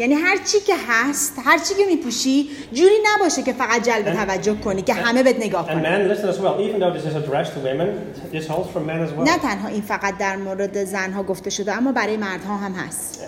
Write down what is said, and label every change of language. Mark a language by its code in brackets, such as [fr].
[fa] یعنی هر چی که هست، هر چی که میپوشی، جوری نباشه که فقط جلب توجه کنی که همه بهت نگاه کنن. [en] Men listen as well. Even though this is addressed to women, this holds for men as well. [fa] نه تنها این فقط در مورد زنها گفته شده، اما برای مردها هم هست.